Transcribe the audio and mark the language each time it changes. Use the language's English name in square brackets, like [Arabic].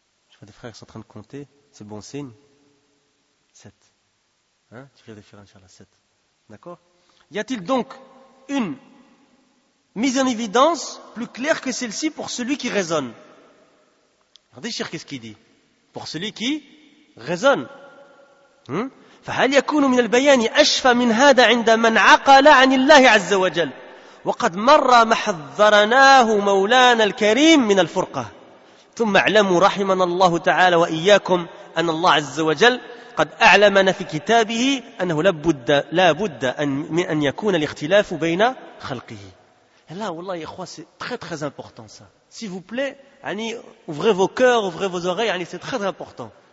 [French] Je vois des frères qui sont en train de compter. C'est bon signe. 7. Hein ? Tu fais référence, Inch'Allah, 7. D'accord ? Y a-t-il donc une mise en évidence plus claire que celle-ci pour celui qui raisonne ? Regardez, cher, qu'est-ce qu'il dit ? Pour celui qui raisonne. Hein ? [Arabic] فهل يكون من البيان أشفى من هذا عند من عقل عن الله عز وجل وقد مر ما حذرناه مولانا الكريم من الفرقة ثم اعلموا رحمنا الله تعالى وإياكم أن الله عز وجل قد أعلمنا في كتابه أنه لابد من أن يكون الاختلاف بين خلقه. لا والله يا إخوة, [French] c'est très très important ça. S'il vous plaît, ouvrez vos cœurs, ouvrez vos oreilles, c'est très très important.